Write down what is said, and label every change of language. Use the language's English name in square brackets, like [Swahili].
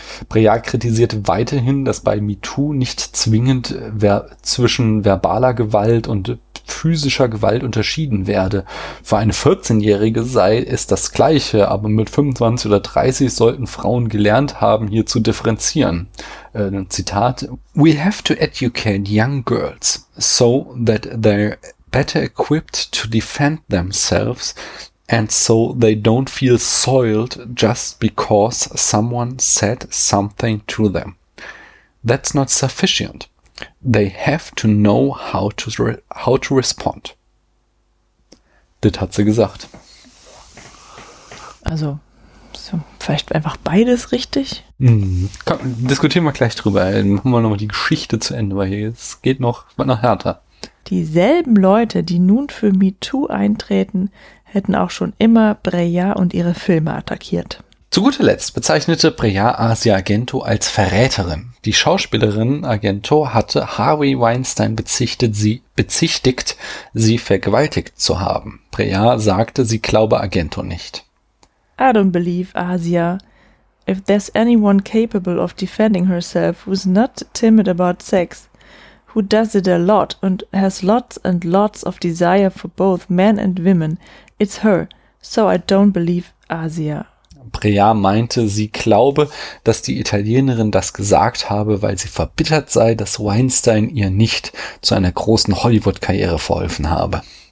[German] Préard kritisierte weiterhin, dass bei MeToo nicht zwingend zwischen verbaler Gewalt und physischer Gewalt unterschieden werde. Für eine 14-Jährige sei es das Gleiche, aber mit 25 oder 30 sollten Frauen gelernt haben, hier zu differenzieren. Zitat: [English] We have to educate young girls so that they're better equipped to defend themselves. And so they don't feel soiled just because someone said something to them. That's not sufficient. They have to know how to respond. [German] Das hat sie gesagt. Also, so, vielleicht einfach beides richtig? Komm, diskutieren wir gleich drüber. Machen wir nochmal die Geschichte zu Ende, weil es geht noch härter. Dieselben Leute, die nun für MeToo eintreten, hätten auch schon immer Préard und ihre Filme attackiert. Zu guter Letzt bezeichnete Préard Asia Argento als Verräterin. Die Schauspielerin Argento hatte Harvey Weinstein bezichtigt, sie vergewaltigt zu haben. Préard sagte, sie glaube Argento nicht. [English] I don't believe Asia. If there's anyone capable of defending herself who's not timid about sex, who does it a lot and has lots and lots of desire for both men and women, it's her, so I don't believe Asia. [German] Préard meinte, sie glaube, dass die Italienerin das gesagt habe, weil sie verbittert sei, dass Weinstein ihr nicht zu einer großen Hollywood-Karriere verholfen habe.